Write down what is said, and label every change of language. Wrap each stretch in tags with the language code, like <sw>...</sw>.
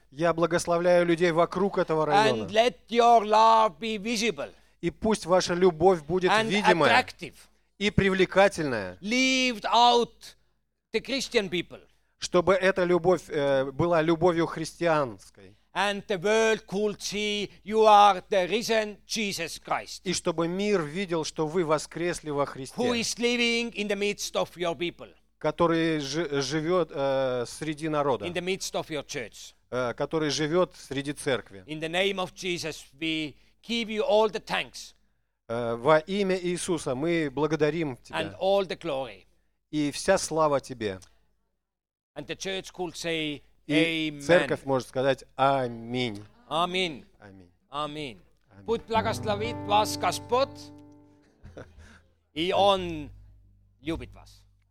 <ru>Я благословляю людей вокруг этого района.</ru> <en>And let your love be visible.</en> <ru>И пусть ваша любовь будет</ru> <en>and</en> <ru>видимая</ru> <en>attractive.</en> <ru>И привлекательная.</ru> <en>Lived out the Christian people.</en> <ru>Чтобы эта любовь была любовью христианской.</ru> <en>And the world could see you are the risen Jesus Christ.</en> <ru>И чтобы мир видел, что вы воскресли во Христе.</ru> <en>Who is living in the midst of your people.</en> <ru>Который живет среди народа.</ru> <en>In the midst of your church.</en> <ru>Который живет среди церкви.</ru> <en>In the name of Jesus, we give you all the thanks.</en> <ru>Во имя Иисуса мы благодарим тебя.</ru> <en>And all the glory.</en> <ru>И вся слава тебе.</ru> <en>And the church could say,</en> <ru>и церковь может сказать аминь. Аминь. Аминь. Аминь. Будь благословит вас Господь, и Он любит вас.</ru>